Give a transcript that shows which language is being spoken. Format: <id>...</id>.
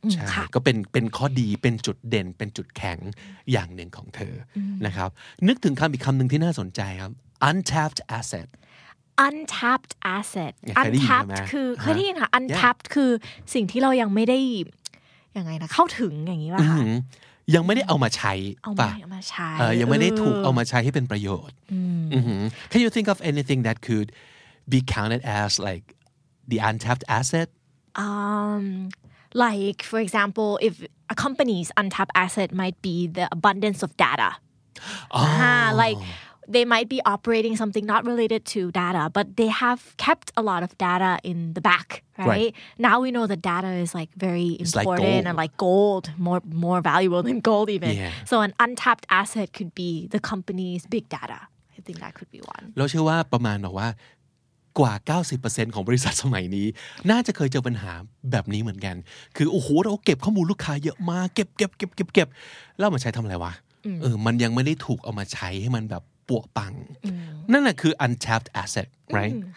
<th>ใช่ก็เป็นข้อดีเป็นจุดเด่นเป็นจุดแข็งอย่างหนึ่งของเธอนะครับนึกถึงคำอีกคำหนึ่งที่น่าสนใจครับ untapped asset</th> <en>untapped asset untapped</en> <th>คือเคยได้ยินค่ะ untapped คือสิ่งที่เรายังไม่ได้ยังไงนะเข้าถึงอย่างนี้ป่ะ ยังไม่ได้เอามาใช้ เอามาใช้ยังไม่ได้ถูกเอามาใช้ให้เป็นประโยชน์</th> <en>Can you think of anything that could be counted as likeThe untapped asset? Like, for example, if a company's untapped asset might be the abundance of data. Oh. Like, they might be operating something not related to data, but they have kept a lot of data in the back, right? Now we know the data is, like, very important like and, like, gold, more valuable than gold even. Yeah. So an untapped asset could be the company's big data. I think that could be one.</en> <th>เราเชื่อว่าประมาณว่ากว่า 90% ของบริษัทสมัยนี้น่าจะเคยเจอปัญหาแบบนี้เหมือนกันคือโอ้โหเราเก็บข้อมูลลูกค้าเยอะมากเก็บแล้วมาใช้ทำอะไรวะมันยังไม่ได้ถูกเอามาใช้ให้มันแบบปั่วปังนั่นแหละคือ untapped asset right</th>